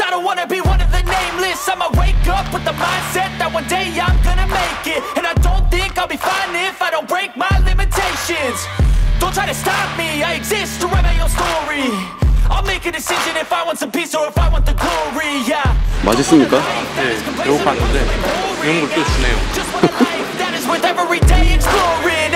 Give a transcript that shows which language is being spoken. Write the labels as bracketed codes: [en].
[en] I don't wanna be one of the nameless. I'ma wake up with the mindset that one day I'm gonna make it. And I don't think I'll be fine if I don't break my limitations. Don't try to stop me, I exist to write my own story. I'll make a decision if I want some peace or if I want the glory, yeah. [ko] 맛있습니까? 네, 배고파 하는데 이런 걸 또 주네요. [en] That is with every day exploring.